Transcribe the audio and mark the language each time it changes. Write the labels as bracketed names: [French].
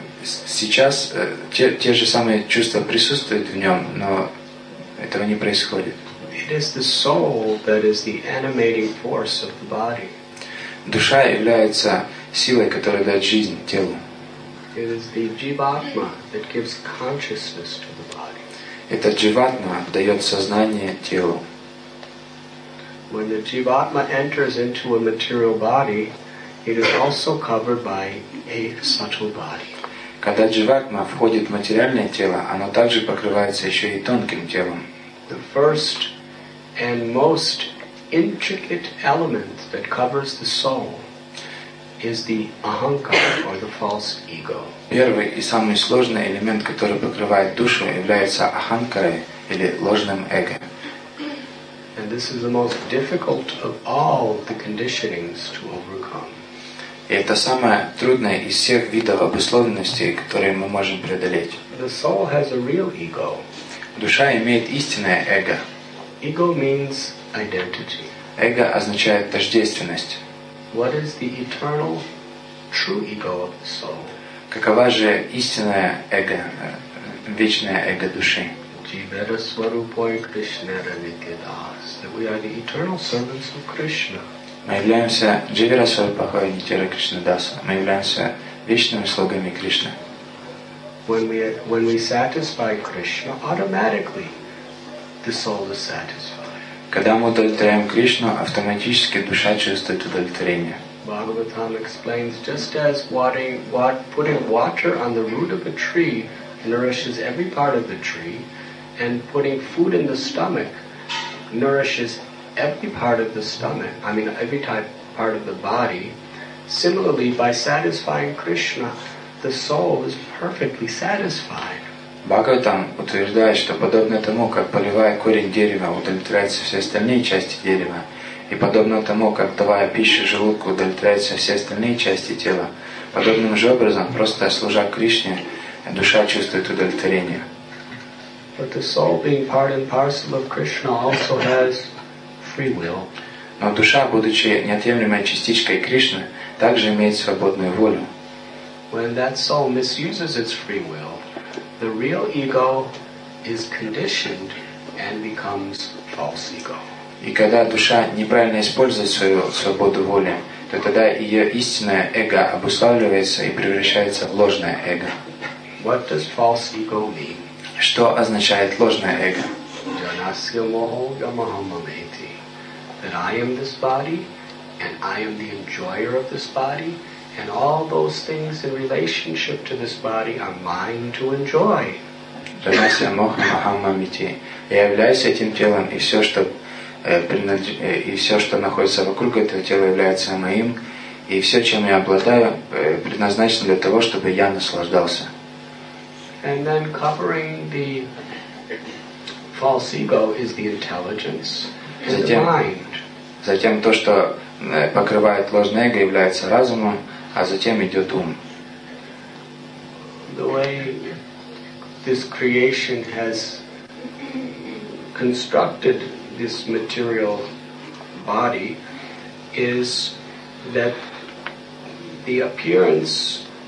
[Russian] Сейчас те же самые чувства присутствуют в нем, но этого не происходит. [English] It is the soul that is the animating force of the body. [Russian] Душа является силой, которая дает жизнь телу. [English] It is the jivatma that gives consciousness to the body. [Russian] Это jivatma дает сознание телу. [English] When the jivatma enters into a material body, it is also covered by a subtle body. [Russian] Когда jivatma входит в материальное тело, оно также покрывается еще и тонким телом. [English] The first and most intricate element that covers the soul is the ahankara, or the false ego. [Russian] Первый и самый сложный элемент, который покрывает душу, является аханкарой, или ложным эго. [English] And this is the most difficult of all the conditionings to overcome. [Russian] И это самое трудное из всех видов обусловленности, которые мы можем преодолеть. [English] The soul has a real ego. [Russian] Душа имеет истинное эго. [English] Ego means identity. [Russian] Эго означает тождественность. [English] What is the eternal true ego of the soul? [Russian] Какова же истинное эго, вечное эго души? [Sanskrit] Jivera Swarupoy Krishnara Nityadas. [English] That we are the eternal servants of Krishna. [Russian] Мы являемся [Sanskrit] Jivera Swarupoy Nityara Krishnadasa. [Russian] Мы являемся вечными слугами Кришны. [English] When we satisfy Krishna, automatically the soul is satisfied. [Russian] Когда мы удовлетворяем Кришну, автоматически душа чувствует удовлетворение. [English] Bhagavatam explains, just as putting water on the root of a tree nourishes every part of the tree, and putting food in the stomach nourishes every part of the stomach, every type part of the body. Similarly, by satisfying Krishna, the soul is perfectly satisfied. [Russian] Бхагаватам утверждает, что подобно тому, как поливая корень дерева, удовлетворяются все остальные части дерева, и подобно тому, как давая пищу желудку, удовлетворяются все остальные части тела, подобным же образом, просто служа Кришне, душа чувствует удовлетворение. [English] But the soul, being part and parcel of Krishna, also has free will. [Russian] Но душа, будучи неотъемлемой частичкой Кришны, также имеет свободную волю. [English] When that soul misuses its free will, the real ego is conditioned and becomes false ego. [Russian] И когда душа неправильно использует свою свободу воли, то тогда ее истинное эго обуславливается и превращается в ложное эго. [English] What does false ego mean? [Russian] Что означает ложное эго? [Sanskrit] Janasya moho yamahamameti. [English] That I am this body, and I am the enjoyer of this body. And all those things in relationship to this body are mine to enjoy. [Sanskrit] Janasya moha mahamamiti. [Russian] Я являюсь этим телом, и все, что находится вокруг этого тела, является моим, и все, чем я обладаю, предназначено для того, чтобы я наслаждался. [English] And then covering the false ego is the intelligence, the mind. [Russian] Затем то, что покрывает ложное эго, является разумом. А затем идет ум. [English] The way this creation has constructed this material body is that the appearance